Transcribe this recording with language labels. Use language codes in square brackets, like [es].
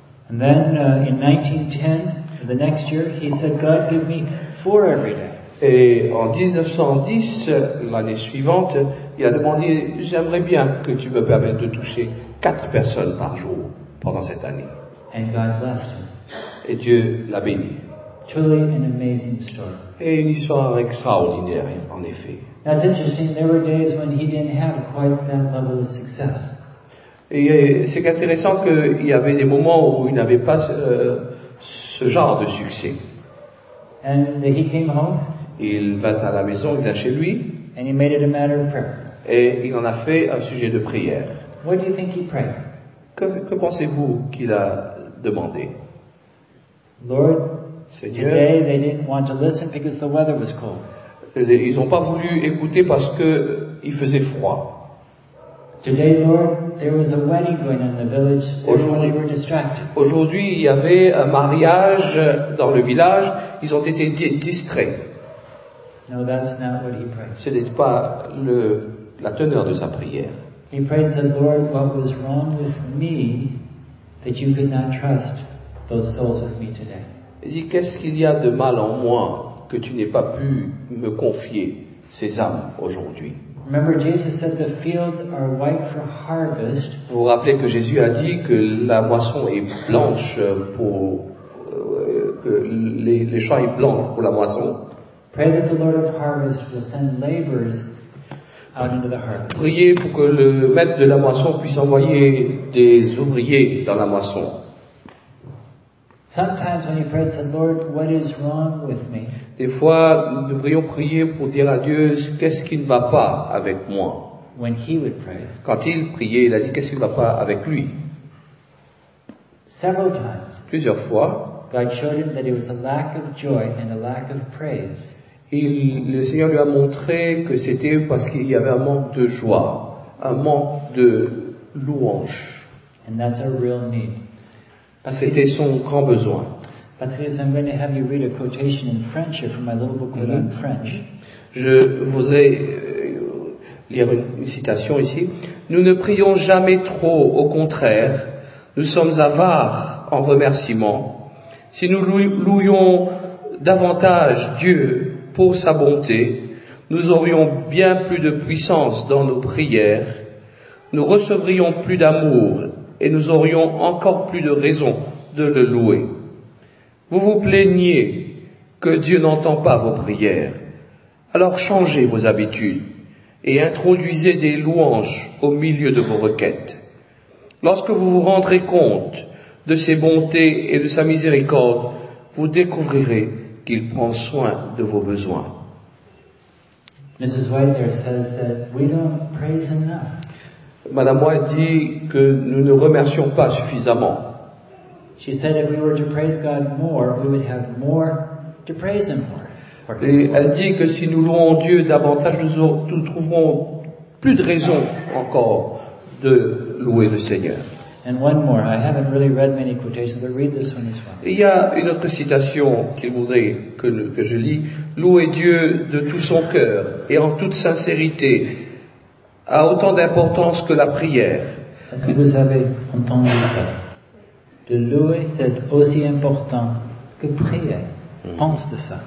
[en] And then in 1910, for the next year, he said, God, give me four every day. [fr] Et en 1910, l'année suivante, il a demandé, j'aimerais bien que tu me permettes de toucher quatre personnes par jour pendant cette année. [en] And God blessed him. [fr] Et Dieu l'a béni. [en] Truly an amazing story. [fr] Et une histoire extraordinaire, en effet. [en] That's interesting. There were days when he didn't have quite that level of success. [fr] Et c'est intéressant qu'il y avait des moments où il n'avait pas ce genre de succès. [en] And he came home. [fr] Il vint à la maison, il vint chez lui. [en] And he made it a matter of prayer. [fr] Et il en a fait un sujet de prière. [en] What do you think he prayed? [fr] Que pensez-vous qu'il a demandé? [en] Lord, [fr] Seigneur, [en] today they didn't want to listen because the weather was cold. [fr] Ils n'ont pas voulu écouter parce que il faisait froid. [en] Today, Lord, there was a wedding going on in the village. [fr] Aujourd'hui, [en] they were distracted. [fr] Aujourd'hui, il y avait un mariage dans le village. Ils ont été distraits. [en] No, that's not what he prayed. [fr] Ce n'est pas la teneur de sa prière. [en] He prayed and said, Lord, what was wrong with me that you could not trust those souls with me today? [fr] Il dit, qu'est-ce qu'il y a de mal en moi que tu n'aies pas pu me confier ces âmes aujourd'hui? [en] Remember, Jesus said the fields are white for harvest. [fr] Vous vous rappelez que Jésus a dit que la moisson est blanche pour que les champs sont blancs pour la moisson. [en] Pray that the Lord of harvest will send laborers. Out into the harvest. [fr] Priez pour que le maître de la moisson puisse envoyer des ouvriers dans la moisson. [en] Sometimes when he prayed, said, Lord, what is wrong with me? [fr] Des fois, nous devrions prier pour dire à Dieu, qu'est-ce qui ne va pas avec moi? [en] When he would pray. [fr] Quand il priait, il a dit, qu'est-ce qui ne va pas avec lui? [en] Several times. [fr] Plusieurs fois. [en] God showed him that it was a lack of joy and a lack of praise. [fr] Le Seigneur lui a montré que c'était parce qu'il y avait un manque de joie, un manque de louange. [en] And that's a real need. [fr] C'était son grand besoin. [en] Patrice, I'm going to have you read a quotation in French from my little booklet in French. [fr] Je voudrais lire une citation ici. Nous ne prions jamais trop, au contraire, nous sommes avares en remerciement. Si nous louions davantage Dieu pour sa bonté, nous aurions bien plus de puissance dans nos prières, nous recevrions plus d'amour et nous aurions encore plus de raisons de le louer. Vous vous plaignez que Dieu n'entend pas vos prières. Alors changez vos habitudes. et introduisez des louanges au milieu de vos requêtes. Lorsque vous vous rendrez compte de ses bontés et de sa miséricorde, vous découvrirez qu'il prend soin de vos besoins. [en] Mrs. White there says that we don't praise enough. [fr] Madame White dit que nous ne remercions pas suffisamment. [en] She said if we were to praise God more, we would have more to praise Him for. [fr] Et elle dit que si nous louons Dieu davantage, nous trouverons plus de raisons encore de louer le Seigneur. [en] And one more, I haven't really read many quotations, but read this one as well. [fr] Il y a une autre citation qu'il voudrait que je lis. Louer Dieu de tout son cœur et en toute sincérité a autant d'importance que la prière. Est-ce que vous avez entendu ça? De louer, c'est aussi important que prier. Pense de ça.